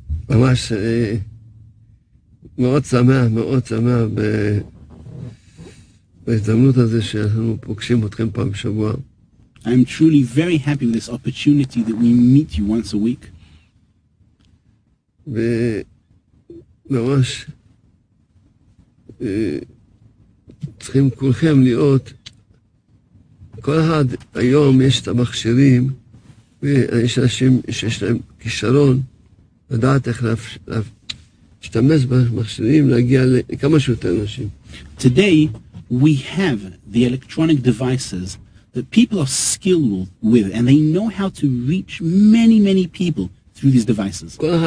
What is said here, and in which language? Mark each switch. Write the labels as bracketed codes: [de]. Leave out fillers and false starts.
[he] ממש מאוד שמח, בהזדמנות הזה שאנחנו פוגשים אתכם פעם בשבוע. [en] I'm truly very happy with this opportunity that we meet you once a week. [he] וממש צריכים כולכם להיות, כל אחד היום יש את המכשירים, ויש אנשים שיש להם כישרון, [en] today we have the electronic devices that people are skilled with, and they know how to reach many, many people through these devices.